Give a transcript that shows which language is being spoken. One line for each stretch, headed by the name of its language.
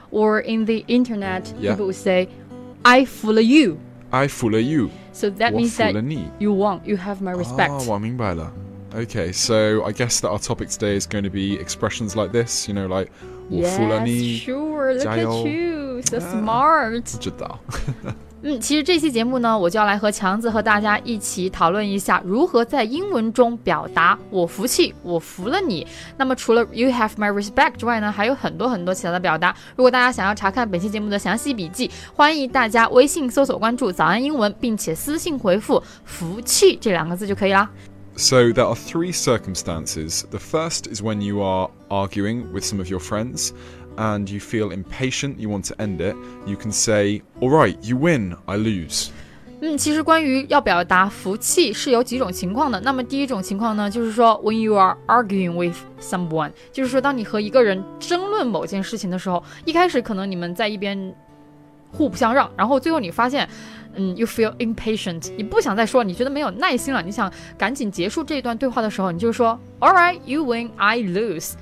English: Or in the internet, people would say, I fool you. I fool you. So that means that
Chinese: 我服了你。
English: You won. You have my respect.
Chinese: 我明白了。
English: Okay, so I guess that our topic today is going to be expressions like this, you know, like,
Chinese: 我服了你
English: Yes, sure, look at you, so smart.
Chinese: 知道。其实这期节目呢，我就要来和强子和大家一起讨论一下如何在英文中表达我服气，我服了你。那么除了
English: you have my respect
Chinese: 之外呢，还有很多很多其他的表达。如果大家想要查看本期节目的详细笔记，欢迎大家微信搜索关注早安英文，并且私信回复服气这两个字就可以啦。
English: So there are 3 circumstances. The first is when you are arguing with some of your friends and you feel impatient, you want to end it. You can say, all right, you win, I lose.
Chinese: 其实关于要表达服气是有几种情况的。那么第一种情况呢，就是说
English: when you are arguing with someone,
Chinese: 就是说当你和一个人争论某件事情的时候，一开始可能你们在一边互不相让，然后最后你发现
English: you feel impatient,
Chinese: 你不想再说，你觉得没有耐心了，你想赶紧结束这一段对话的时候，你就说
English: All right, you win, I lose.